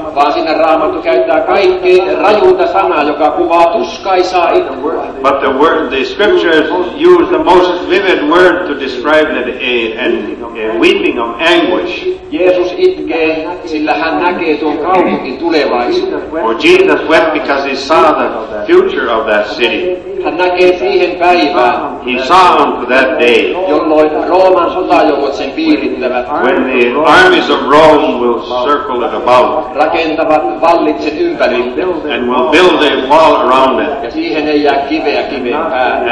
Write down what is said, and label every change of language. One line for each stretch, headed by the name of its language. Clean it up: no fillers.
Finnish: Vaan siinä Raamattu käyttää kaikkein rajuinta sanaa, joka kuvaa tuskaisaa itkua.
English: But the word, the scriptures use the most vivid word to describe that a weeping of anguish.
Finnish: Jeesus itkee, sillä hän näkee tuon kaupungin tulevaisuuden.
English: Or Jesus wept because he saw the future of that city.
Finnish: Hän näkee siihen päivään.
English: He saw unto that day.
Finnish: Jolloin Rooman sotajoukot sen piirittävät.
English: When the armies of Rome will circle it about.
Finnish: Rakentavat vallit sen ympäri.
English: And will build a wall around it.
Finnish: Ja siihen ei jää kiveä kiveen päälle.